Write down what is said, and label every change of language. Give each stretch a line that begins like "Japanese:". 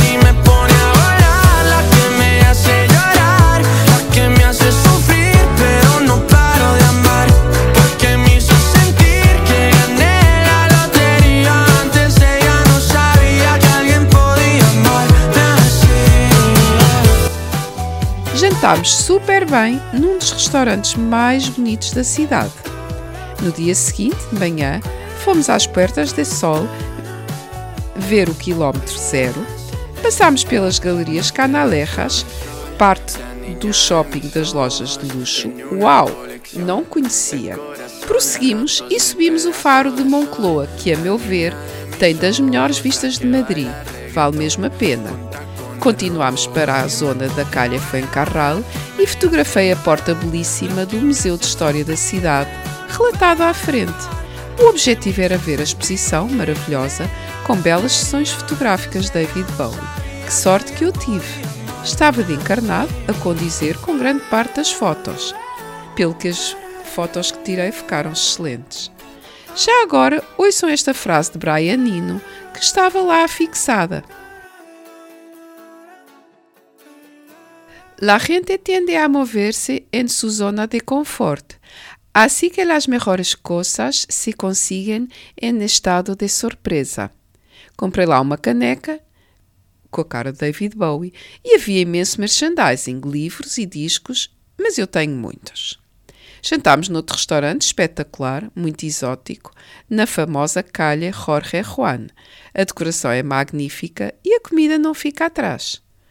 Spanish: Y me pone a bailar, la que me hace llorar, la que me hace sufrir, pero no paro de amar, porque me hizo sentir que gané la lotería. Antes ella no sabía que alguien podía amarme así.
Portuguese: Jantámos super bem num dos restaurantes mais bonitos da cidade. No dia seguinte, de manhã, fomos às Puertas de Sol ver o quilómetro zero, passámos pelas galerias Canalejas, parte do shopping das lojas de luxo. Uau! Não conhecia. Prosseguimos e subimos o faro de Moncloa, que, a meu ver, tem das melhores vistas de Madrid. Vale mesmo a pena. Continuámos para a zona da Calha Fuencarral e fotografei a porta belíssima do Museu de História da cidade, relatado à frente. O objetivo era ver a exposição, maravilhosa, com belas sessões fotográficas de David Bowie. Que sorte que eu tive! Estava de encarnado, a condizer com grande parte das fotos. Pelo que as fotos que tirei ficaram excelentes. Já agora, ouçam esta frase de Brian Eno, que estava lá fixada.
Spanish: La gente tiende a moverse en su zona de confort. Así que las mejores cosas se consiguen en estado de sorpresa.
Portuguese: Comprei lá uma caneca com a cara de David Bowie e havia imenso merchandising, livros e discos, mas eu tenho muitos. Jantámos noutro restaurante espetacular, muito exótico, na famosa Calha Jorge Juan. A decoração é magnífica e a comida não fica atrás.